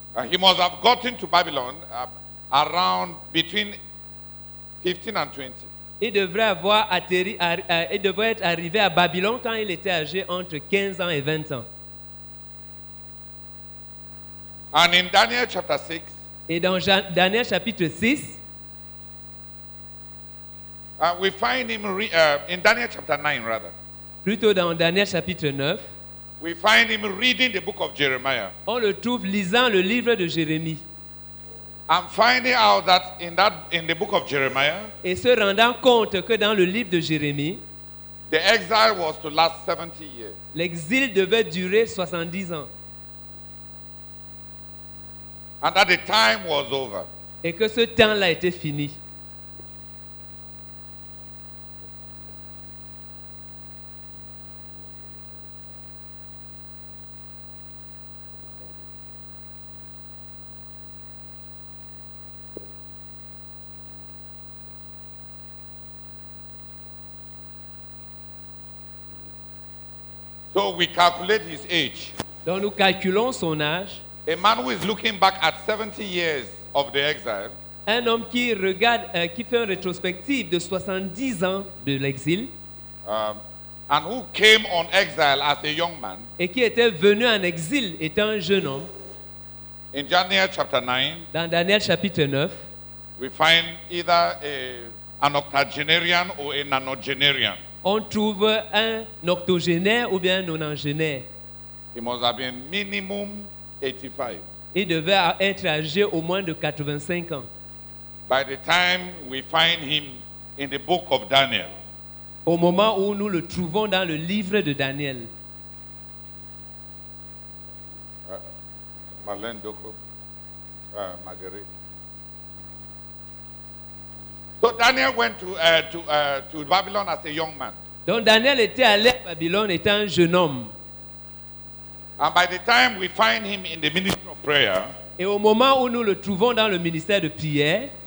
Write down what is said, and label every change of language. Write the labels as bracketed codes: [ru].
[en] he must have gotten to Babylon around between 15 and 20. [fr] Il devrait avoir atterri, il devrait être arrivé à Babylone quand il était âgé entre 15 ans et 20 ans. [en] And in Daniel chapter 6, [fr] et dans Daniel chapitre 6, [en] We find him in Daniel chapter 9 rather. [fr] Plutôt dans Daniel chapitre 9. [en] We find him reading the book of Jeremiah. [fr] On le trouve lisant le livre de Jérémie. [en] I'm finding out that in the book of Jeremiah. [fr] Et se rendant compte que dans le livre de Jérémie, [en] the exile was to last 70 years. [fr] L'exil devait durer 70 ans. [en] And that the time was over. [fr] Et que ce temps-là était fini. [en] So we calculate his age. [fr] Donc nous calculons son âge. [en] A man who is looking back at 70 years of the exile. [fr] Un homme qui regarde, qui fait une rétrospective de 70 ans de l'exil. [en] And who came on exile as a young man. [fr] Et qui était venu en exil étant un jeune homme. [en] In Daniel chapter 9. [fr] Dans Daniel chapitre 9. [en] We find either an octogenarian or a nonagenarian. [fr] On trouve un octogénaire ou bien un nonagénaire. [en] He must have been minimum 85. [fr] Il devait être âgé au moins de 85 ans. [en] By the time we find him in the book of Daniel. [fr] Au moment où nous le trouvons dans le livre de Daniel. Marlène Doko, Marguerite. [en] So Daniel went to Babylon as a young man. [fr] Donc Daniel était allé à Babylone étant un jeune homme. [en] And by the time we find him in the ministry of prayer, [fr] et au moment où nous le trouvons dans le ministère de prière,